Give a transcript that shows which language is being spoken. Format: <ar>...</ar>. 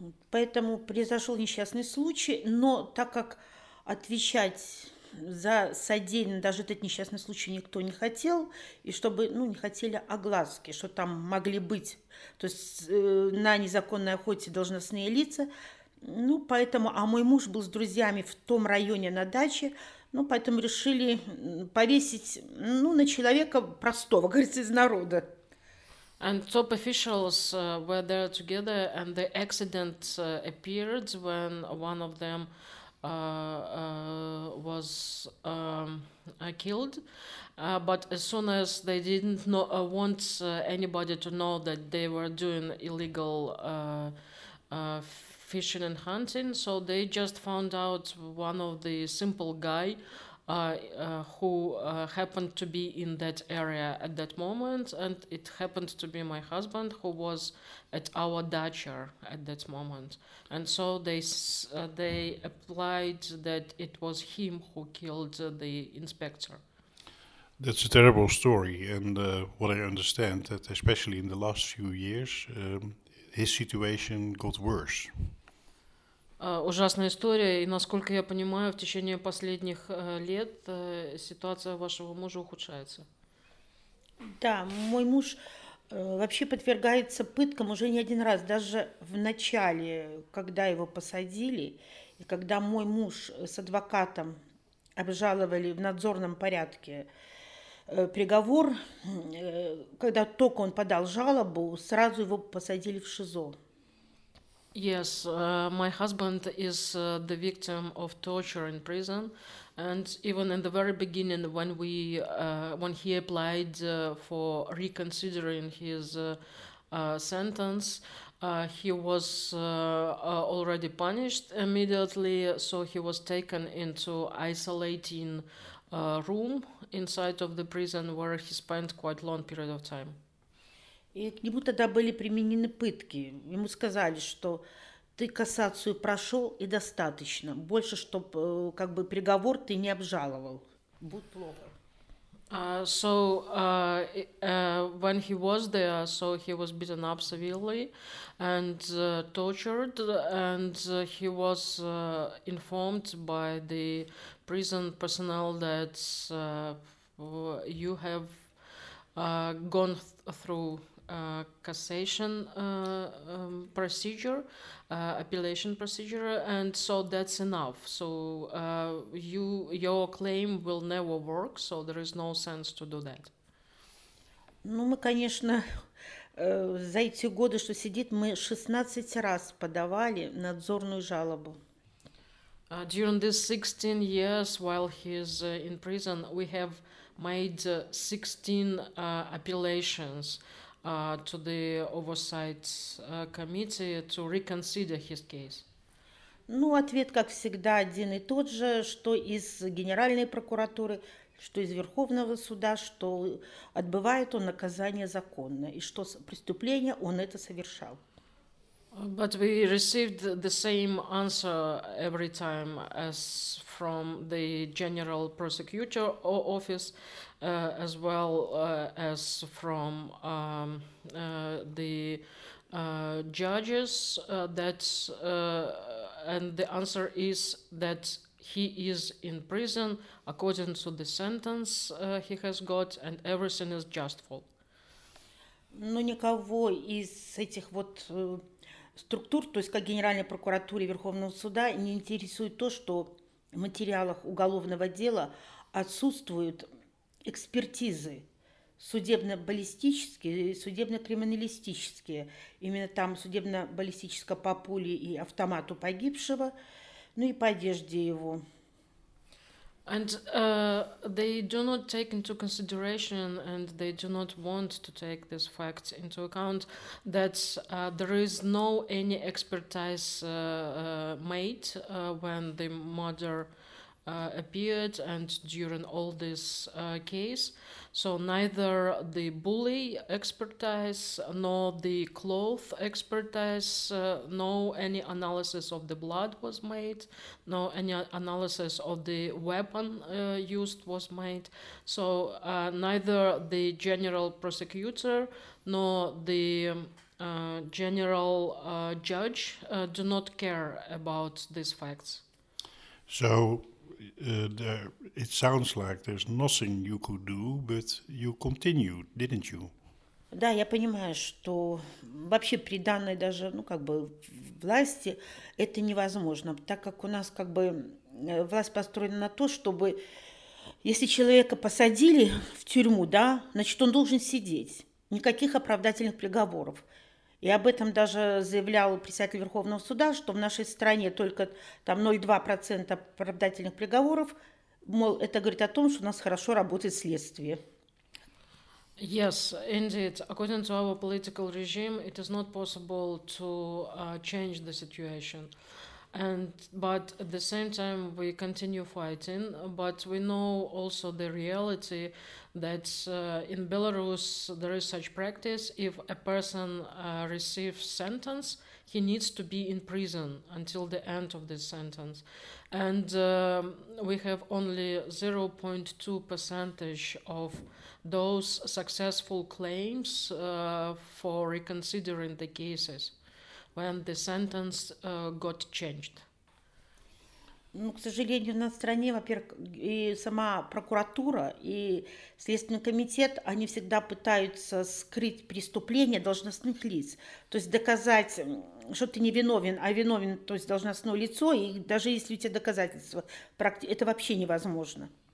<ru>Поэтому произошел несчастный случай, но так как отвечать за содеянное, даже этот несчастный случай никто не хотел, и чтобы, ну, не хотели огласки, что там могли быть, то есть на незаконной охоте должностные лица, ну, поэтому, а мой муж был с друзьями в том районе на даче, ну, поэтому решили повесить, ну, на человека простого, говорится, из народа.</ru> <en>And top officials were there together, and the accident appeared when one of them was killed. But as soon as they didn't know, want anybody to know that they were doing illegal fishing and hunting, so they just found out one of the simple guy who happened to be in that area at that moment, and it happened to be my husband who was at our dacha at that moment. And so they applied that it was him who killed the inspector. That's a terrible story, and what I understand that especially in the last few years, his situation got worse.</en> <ru>Ужасная история, и насколько я понимаю, в течение последних лет ситуация вашего мужа ухудшается. Да, мой муж вообще подвергается пыткам уже не один раз, даже в начале, когда его посадили, и когда мой муж с адвокатом обжаловали в надзорном порядке приговор, когда только он подал жалобу, сразу его посадили в ШИЗО.</ru> <en>Yes, my husband is the victim of torture in prison, and even in the very beginning, when we when he applied for reconsidering his sentence, he was already punished immediately, so he was taken into isolating room inside of the prison where he spent quite long period of time.</en> <ru>И к нему тогда были применены пытки. Ему сказали, что ты кассацию прошел и достаточно. Больше, чтобы как бы приговор ты не обжаловал. Будет плохо.</ru> <en>So when he was there, so he was beaten up severely and tortured, and he was informed by the prison personnel that you have gone through cassation procedure, appellation procedure, and so that's enough. So your claim will never work, so there is no sense to do that.</en> <ru>Ну, мы, конечно, за эти годы, что сидит, мы 16 раз подавали надзорную жалобу.</ru> <en>During these 16 years, while he's in prison, we have made 16 appellations to the oversight committee to reconsider his case.</en> <ru>Ну, ответ, как всегда, один и тот же, что из Генеральной прокуратуры, что из Верховного суда, что отбывает он наказание законно, и что преступление он это совершал.</ru> <en>But we received the same answer every time as from the General Prosecutor Office, as well as from the judges, and the answer is that he is in prison according to the sentence he has got, and everything is justful.</en> <ru>Но никого из этих вот структур, то есть как Генеральной прокуратуры, Верховного суда, не интересует то, что в материалах уголовного дела отсутствуют экспертизы судебно-баллистические и судебно-криминалистические. Именно там судебно-баллистическое по пуле и автомату погибшего, ну и по одежде его.</ru> <en>And they do not take into consideration, and they do not want to take this fact into account, that there is no any expertise made when the murder appeared and during all this case. So neither the bully expertise nor the cloth expertise, nor any analysis of the blood was made, nor any analysis of the weapon used was made. So neither the general prosecutor nor the general judge do not care about these facts. So it sounds like there's nothing you could do, but you continued, didn't you?</en> <ru>Да, я понимаю, что вообще при данной даже, ну, как бы, власти это невозможно, так как у нас, как бы, власть построена на то, чтобы, если человека посадили в тюрьму, да, значит, он должен сидеть. Никаких оправдательных приговоров. И об этом даже заявлял председатель Верховного суда, что в нашей стране только там 0,2% оправдательных приговоров. Мол, это говорит о том, что у нас хорошо работает следствие.</ru> <en>Yes, indeed. According to our political regime, it is not possible to change the situation. And but at the same time we continue fighting, but we know also the reality that in Belarus there is such practice: if a person receives sentence, he needs to be in prison until the end of this sentence. And we have only 0.2% of those successful claims for reconsidering the cases when the sentence got changed.</en> <ru>Ну, к сожалению, на стране, во-первых, и сама прокуратура, и Следственный комитет, они всегда пытаются скрыть преступление должностных лиц. То есть доказать, что ты не виновен, а виновен, то есть должностное лицо, и даже если у тебя доказательства, это вообще невозможно.</ru>